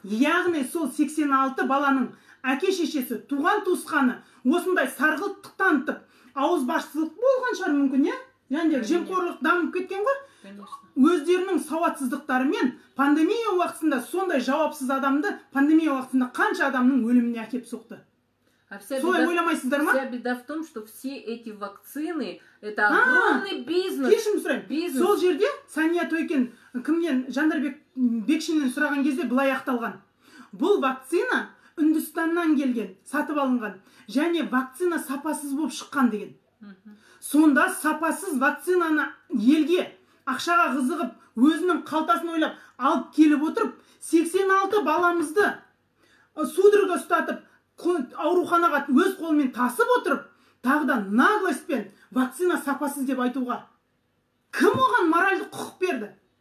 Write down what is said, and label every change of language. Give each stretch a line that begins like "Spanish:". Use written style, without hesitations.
Kazakh: Яғни сол 86 баланың әке-шешесі, туған-туысқаны осындай сарғылттық танытып, ауызбашсыздық болған шығар мүмкін, иә? Яғни жемқорлық дамып кеткен ғой. Өздерінің сауатсыздықтарымен пандемия уақытысында сондай жауапсыз адамды пандемия уақытысында қанша адамның өліміне әкеп соқты.
Russian: Вся беда, в том, что все эти вакцины это огромный бизнес.
Kazakh: Кешім сұрайым. Бизнес. Сол жерде Сәния Тойкен кімнен Жандарбек Бекшиннен сұраған кезде былай ақталған. Бұл вакцина Үндістаннан келген, сатып алынған және вакцина сапасыз болып шыққан деген. Сонда сапасыз вакцинаны елге ақшаға қызығып, өзінің қалтасын ойлап алып келіп отырып, 86 баламызды судорога ұстатып ауруханаға өз қолымен тасып отырып, тағы да наглостьпен вакцина сапасыз деп айтуға кім оған моральдық құқық берді?